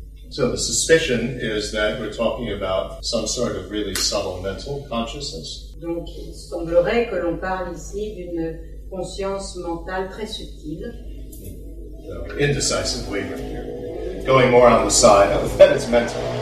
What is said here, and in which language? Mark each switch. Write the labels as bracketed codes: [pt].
[en] So the suspicion is that we're talking about some sort of really subtle mental consciousness. [fr] Donc, il semblerait que l'on parle ici d'une conscience mentale très subtile. [en] So, indecisive wavering here. Going more on the side of that it's mental.